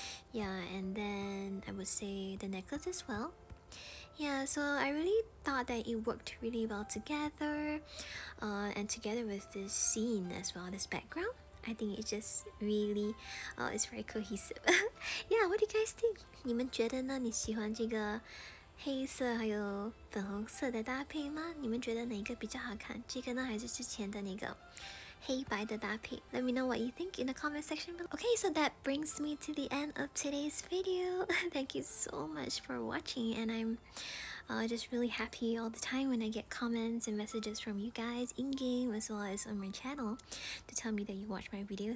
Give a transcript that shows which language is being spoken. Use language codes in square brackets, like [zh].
[en] Yeah, and then I would say the necklace as well. Yeah, so I really thought that it worked really well together, and together with this scene as well, this background. I think it's just really, it's very cohesive. Yeah, what do you guys think? [zh] 你们觉得呢？你喜欢这个黑色还有粉红色的搭配吗？你们觉得哪个比较好看？这个呢，还是之前的那个黑白的搭配？ [en] Let me know what you think in the comment section below. Okay, so that brings me to the end of today's video. Thank you so much for watching, and I'm just really happy all the time when I get comments and messages from you guys in-game as well as on my channel to tell me that you watch my video.